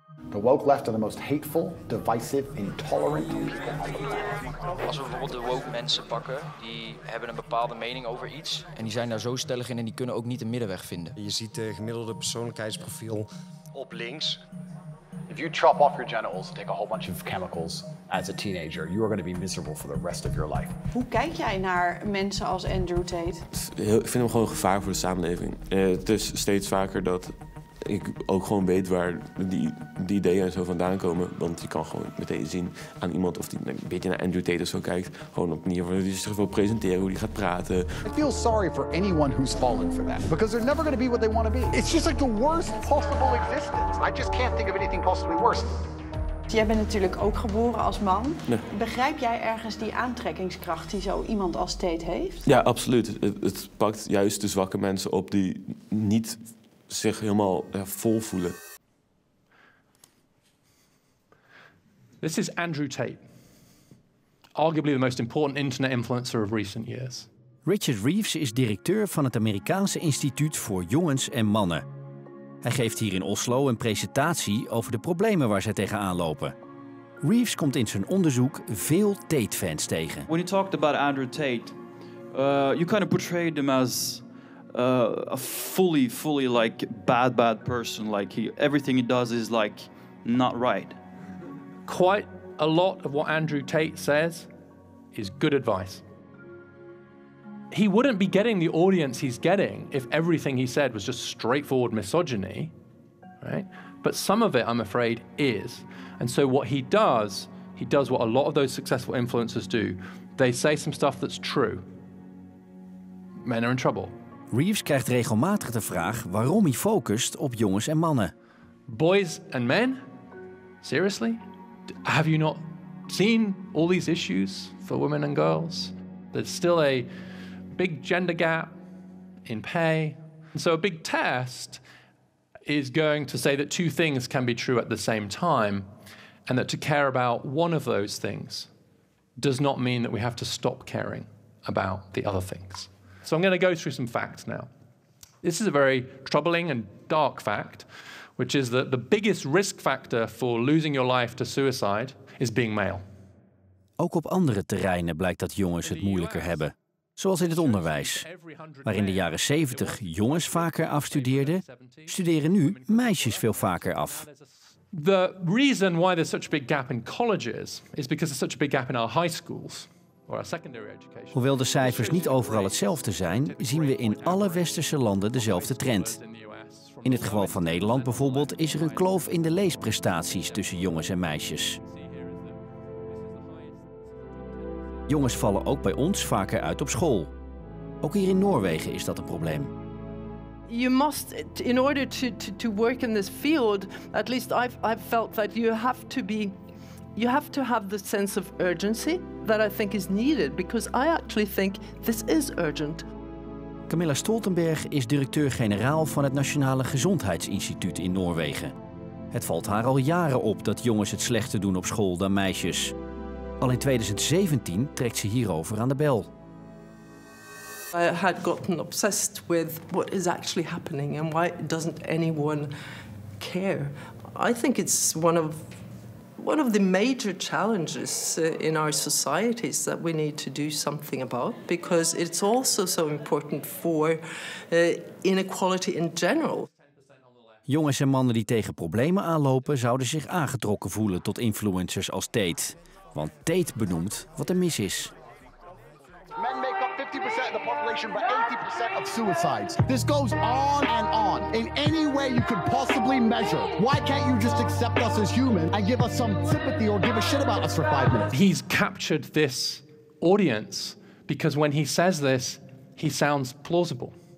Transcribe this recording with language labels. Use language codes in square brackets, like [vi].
[en] The woke left are the most hateful, divisive, intolerant people. [nl] Als we bijvoorbeeld de woke mensen pakken, die hebben een bepaalde mening over iets. En die zijn daar zo stellig in en die kunnen ook niet de middenweg vinden. Je ziet de gemiddelde persoonlijkheidsprofiel op links. [en] If you chop off your genitals, take a whole bunch of chemicals as a teenager, you are going to be miserable for the rest of your life. [nl] Hoe kijk jij naar mensen als Andrew Tate? Ik vind hem gewoon een gevaar voor de samenleving. Het is steeds vaker dat ik ook gewoon weet waar die ideeën en zo vandaan komen. Want je kan gewoon meteen zien aan iemand of die een beetje naar Andrew Tate of zo kijkt. Gewoon op manier waarop hij zich wil presenteren, hoe hij gaat praten. [en] I feel sorry for anyone who's fallen for that. Because they're never going to be what they want to be. It's just like the worst possible existence. I just can't think of anything possibly worse. [nl] Jij bent natuurlijk ook geboren als man. Nee. Begrijp jij ergens die aantrekkingskracht die zo iemand als Tate heeft? Ja, absoluut. Het pakt juist de zwakke mensen op die niet zich helemaal vol voelen. [en] This is Andrew Tate, arguably the most important internet influencer of recent years. [nl] Richard Reeves is directeur van het Amerikaanse Instituut voor Jongens en Mannen. Hij geeft hier in Oslo een presentatie over de problemen waar zij tegenaan lopen. Reeves komt in zijn onderzoek veel Tate-fans tegen. [en] When you talked about Andrew Tate, you kind of portrayed him as a fully like bad person, like everything he does is like not right. Quite a lot of what Andrew Tate says is good advice. he wouldn't be getting the audience he's getting if everything he said was just straightforward misogyny, right? But some of it, I'm afraid, is. And so what he does what a lot of those successful influencers do. They say some stuff that's true. Men are in trouble. [nl] Reeves krijgt regelmatig de vraag waarom hij focust op jongens en mannen. [en] Boys and men? Seriously? Have you not seen all these issues for women and girls? There's still a big gender gap in pay. And so a big test is going to say that two things can be true at the same time, and that to care about one of those things does not mean that we have to stop caring about the other things. So I'm going to go through some facts now. This is a very troubling and dark fact, which is that the biggest risk factor for losing your life to suicide is being male. [nl] Ook op andere terreinen blijkt dat jongens het moeilijker hebben. Zoals in het onderwijs, waar in de jaren 70 jongens vaker afstudeerden, studeren nu meisjes veel vaker af. [en] The reason why there's such a big gap in colleges is because there's such a big gap in our high schools. [nl] Hoewel de cijfers niet overal hetzelfde zijn, zien we in alle westerse landen dezelfde trend. In het geval van Nederland bijvoorbeeld is er een kloof in de leesprestaties tussen jongens en meisjes. Jongens vallen ook bij ons vaker uit op school. Ook hier in Noorwegen is dat een probleem. [en] You must, in order to work in this field, at least I've felt that you have to have the sense of urgency that I think is needed, because I actually think this is urgent. [nl] Camilla Stoltenberg is directeur-generaal van het Nationale Gezondheidsinstituut in Noorwegen. Het valt haar al jaren op dat jongens het slechter doen op school dan meisjes. Al in 2017 trekt ze hierover aan de bel. [en] I had gotten obsessed with what is actually happening and why doesn't anyone care. I think it's one of the major challenges in our societies that we need to do something about, because it's also so important for inequality in general. [nl] Jongens en mannen die tegen problemen aanlopen zouden zich aangetrokken voelen tot influencers als Tate. Want Tate benoemt wat er mis is. [en] Men make up 50% of the population, but 80% of suicides. This goes on and on in any way you could possibly measure. Why can't you just accept us as human and give us some sympathy or give a shit about us for 5 minutes? He's captured this audience because when he says this, he sounds plausible.